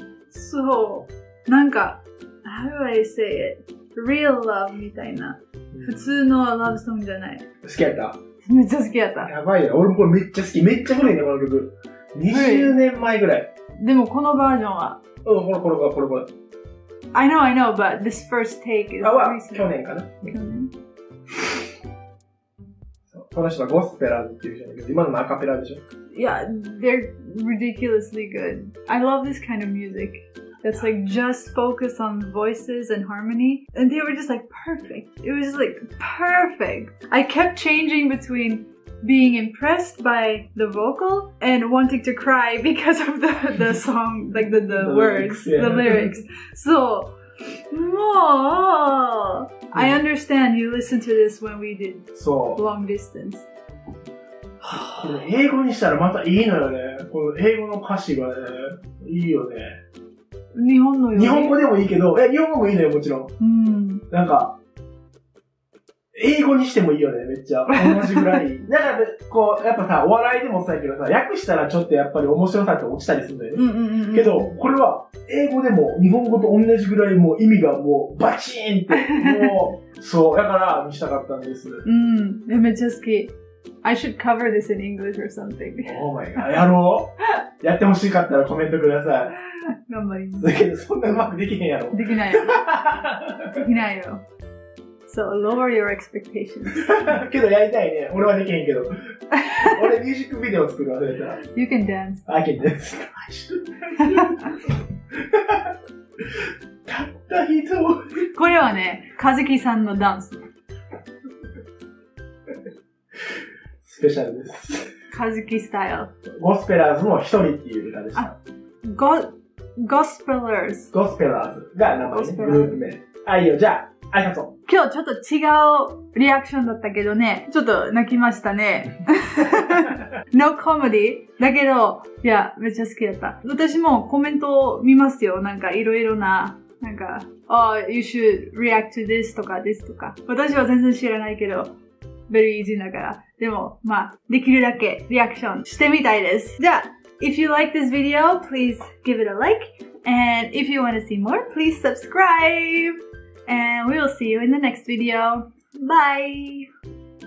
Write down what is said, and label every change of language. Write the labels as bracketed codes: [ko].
[en] そう、なんか how do I say it? [ja] Real love みたいな、普通の love song じゃない。好きやった。めっちゃ好きやった。やばいよ、俺もこれめっちゃ好き。めっちゃ古いね、この曲。 20年前ぐらい、はい、でもこのバージョンは、うん、これこれこれこれ。 [en] I know, I know, but this first take is [ja] recent. 去年かな。去年。そう、この人はゴスペラーズっていう人だけど、今のアカペラでしょ。 [en] Yeah, they're ridiculously good. I love this kind of music. That's like just focus on voices and harmony. And they were just like perfect. It was just like perfect. I kept changing between being impressed by the vocal and wanting to cry because of the song, like the words, yeah. The lyrics. So, I understand you listened to this when we did long distance. [ja] これ英語にしたらまたいいのよね。この英語の歌詞がね、いいよね。日本のよ、ね、日本語でもいいけど、え、日本語もいいのよ、もちろん。うん。なんか、英語にしてもいいよね、めっちゃ。同じぐらい。なんか、こう、やっぱさ、お笑いでもさ、けどさ、訳したらちょっとやっぱり面白さって落ちたりするんだよね。うんうんうん、うん。けど、これは、英語でも日本語と同じぐらいもう意味がもう、バチーンって、もう、そう、だから見したかったんです。うん。めっちゃ好き。 [en] I should cover this in English or something. Oh my god. やろう。 [ja] やってほしかったらコメントください。頑張ります。だけどそんなうまくできへんやろ。 [en] できないよ。できないよ。 So lower your expectations. [ja] けどやりたいね。俺はできへんけど。俺ミュージックビデオ作るわ、それから。 [en] You can dance. I can dance. I should dance. [ja] たった一つ。これはね、カズキさんのダンス。スペシャルです。カズキスタイル。ゴスペラーズの一人っていう歌でした。ゴスペラーズ。ゴスペラーズが名前、ね、グループ名。あ、いいよ、じゃあ、ありがとう。今日ちょっと違うリアクションだったけどね。ちょっと泣きましたね。 [en] No comedy? [ja] だけど、いや、めっちゃ好きだった。私もコメントを見ますよ。なんかいろいろな。なんか、 Oh, you should react to this とか、this とか。私は全然知らないけど。 Very easy だから。でも、まあ、できるだけリアクションしてみたいです。 [en] じゃあ、If you like this video, please give it a like. And if you want to see more, please subscribe. And we will see you in the next video. Bye!